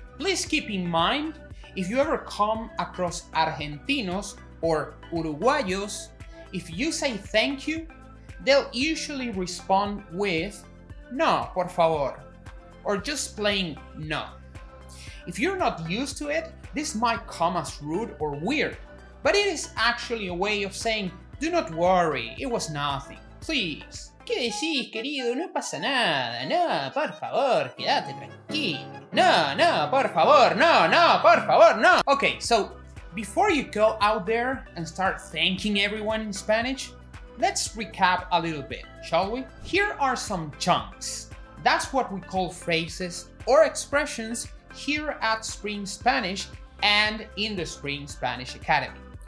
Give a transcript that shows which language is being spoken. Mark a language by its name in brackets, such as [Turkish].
[English] Please keep in mind, if you ever come across Argentinos or Uruguayos, if you say thank you, they'll usually respond with [Spanish] no, por favor, [English] or just plain no. If you're not used to it, this might come as rude or weird, but it is actually a way of saying, do not worry, it was nothing, please. [Spanish] ¿Qué decís, querido? No pasa nada. No, por favor, quédate tranquilo. No, no, por favor, no, no, por favor, no. [English] Okay, so before you go out there and start thanking everyone in Spanish, let's recap a little bit, shall we? Here are some chunks. That's what we call phrases or expressions here at Spring Spanish and in the Spring Spanish Academy.